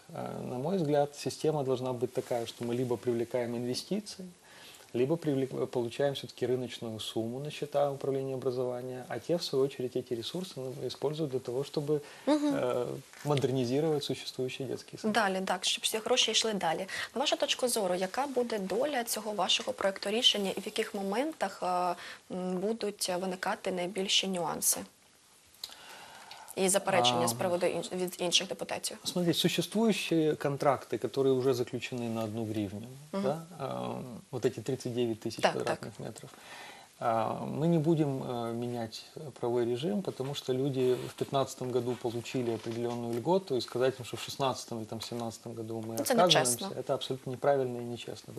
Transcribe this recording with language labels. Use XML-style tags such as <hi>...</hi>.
<ru>На мой взгляд, система должна быть такая, что мы либо привлекаем инвестиции, либо получаем все-таки рыночную сумму на счета управления образования, а те, в свою очередь, эти ресурсы используют для того, чтобы модернизировать существующие детские сады.</ru> <uk>Далі, так, щоб всі гроші йшли далі. На вашу точку зору, яка буде доля цього вашого проєкту рішення і в яких моментах будуть виникати найбільші нюанси? И запоречения с провода инших депутатов.</uk> <ru>Смотрите, существующие контракты, которые уже заключены на 1 гривню, да, вот эти 39 тысяч квадратных метров, мы не будем менять правовой режим, потому что люди в 2015 году получили определенную льготу, и сказать им, что в 2016 или 2017 году мы отказываемся, это абсолютно неправильно и нечестно.</ru>